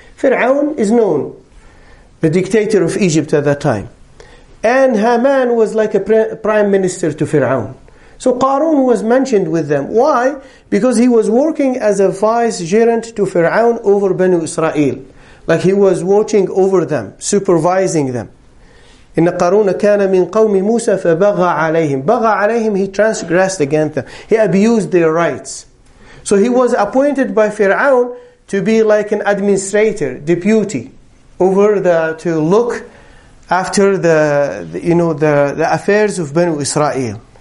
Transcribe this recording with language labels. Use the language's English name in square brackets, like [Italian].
[English] Fir'aun is known, the dictator of Egypt at that time. And Haman was like a prime minister to Fir'aun. So Qarun was mentioned with them. Why? Because he was working as a vicegerent to Fir'aun over Banu Israel. Like he was watching over them, supervising them. [Arabic] إن قارون كان من قوم موسى فبغى عليهم. بغى عليهم, [English] he transgressed against them. He abused their rights. So he was appointed by Fir'aun to be like an administrator, deputy, over the, to look after the affairs of Banu Israel.